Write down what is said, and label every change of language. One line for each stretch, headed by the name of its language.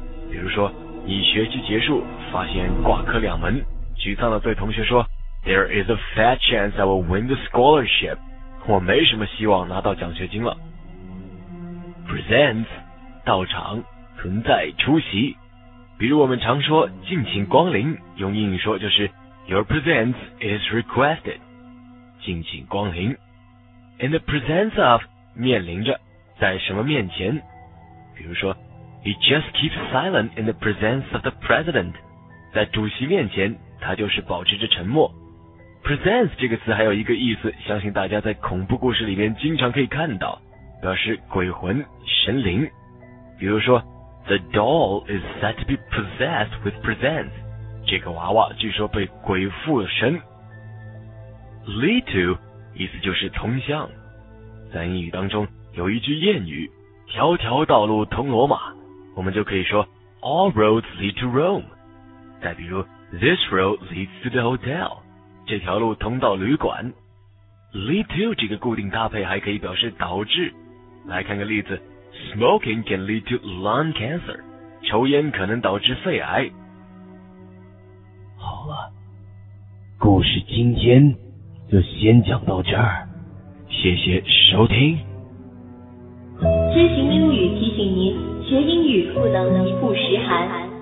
Chinese: 比如说，你学期结束发现挂科两门，沮丧地对同学说 ：“
English: There is a fat chance I will win the scholarship。”
Chinese: 我没什么希望拿到奖学金了。
English: Present，
Chinese: 到场，存在，出席。比如我们常说敬请光临，用英语说就是
English: Your presence is requested.
Chinese: 敬请光临。
English: In the presence of
Chinese: 面临着，在什么面前。比如说
English: He just keeps silent in the presence of the president.
Chinese: 在主席面前，他就是保持着沉默。Presence 这个词还有一个意思，相信大家在恐怖故事里面经常可以看到，表示鬼魂、神灵。比如说
English: The doll is said to be possessed with presence.
Chinese: 这个娃娃据说被鬼附身。
English: Lead to,
Chinese: 意思就是通向。在英语当中有一句谚语，条条道路通罗马，我们就可以说
English: All roads lead to Rome.
Chinese: 再比如
English: This road leads to the hotel.
Chinese: 这条路通到旅馆。
English: Lead to
Chinese: 这个固定搭配还可以表示导致。来看个例子。
English: Smoking can lead to lung cancer.
Chinese: 抽烟可能导致肺癌。好了，故事今天就先讲到这儿，谢谢收听。知行英语提醒您，学英语不能一不识韩。